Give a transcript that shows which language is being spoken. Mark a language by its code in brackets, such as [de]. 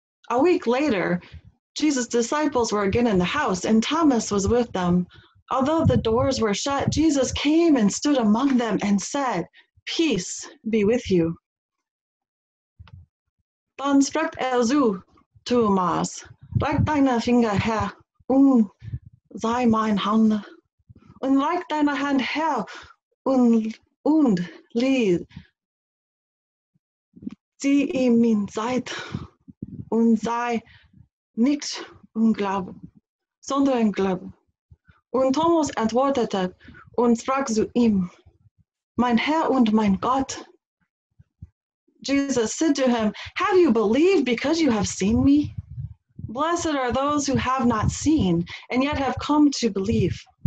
[en] A week later, Jesus' disciples were again in the house, and Thomas was with them. Although the doors were shut, Jesus came and stood among them and said, "Peace be with you." [de] Dann sprach er zu Thomas, "Reck deine Finger her und sei meine Hand, und reck deine Hand her und lies sie in mein Seid und sei nicht unglauben, sondern glauben." Und Thomas antwortete und sprach zu ihm, "Mein Herr und mein Gott." [en] Jesus said to him, "Have you believed because you have seen me? Blessed are those who have not seen and yet have come to believe."